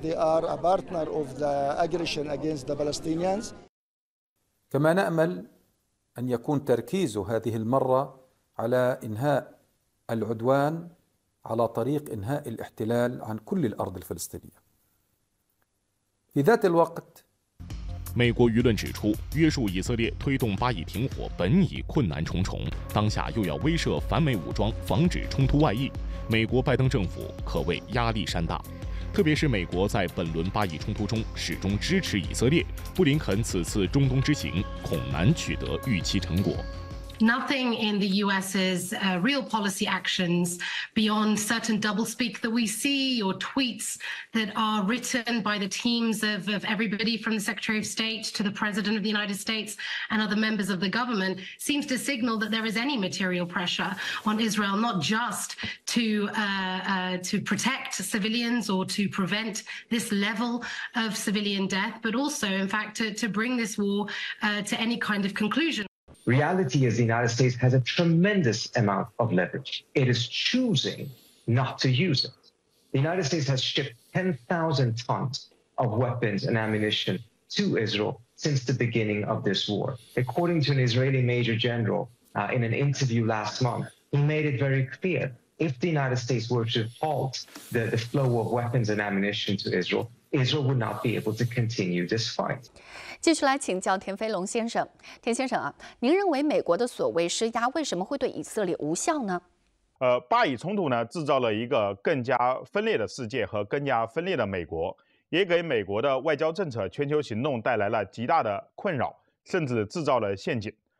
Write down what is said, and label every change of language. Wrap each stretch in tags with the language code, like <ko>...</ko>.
<en>They are a partner of the aggression against the Palestinians.</en> <ar>كما نأمل أن يكون تركيز هذه المرة على إنهاء العدوان على طريق إنهاء الاحتلال عن كل الأرض الفلسطينية.</ar> <zh>美国舆论指出，约束以色列推动巴以停火本已困难重重，当下又要威慑反美武装防止冲突外溢，美国拜登政府可谓压力山大。特别是美国在本轮巴以冲突中始终支持以色列，布林肯此次中东之行恐难取得预期成果。</zh> <en>Nothing in the U.S.'s real policy actions beyond certain doublespeak that we see or tweets that are written by the teams of everybody from the Secretary of State to the President of the United States and other members of the government seems to signal that there is any material pressure on Israel, not just to protect civilians or to prevent this level of civilian death, but also, in fact, to bring this war to any kind of conclusion. Reality is the United States has a tremendous amount of leverage. It is choosing not to use it. The United States has shipped 10,000 tons of weapons and ammunition to Israel since the beginning of this war. According to an Israeli major general in an interview last month, he made it very clear if the United States were to halt the flow of weapons and ammunition to Israel, Israel would not be able to continue this fight.</en> <zh>继续来请教田飞龙先生，田先生啊，您认为美国的所谓施压为什么会对以色列无效呢？巴以冲突呢，制造了一个更加分裂的世界和更加分裂的美国，也给美国的外交政策、全球行动带来了极大的困扰，甚至制造了陷阱。</zh>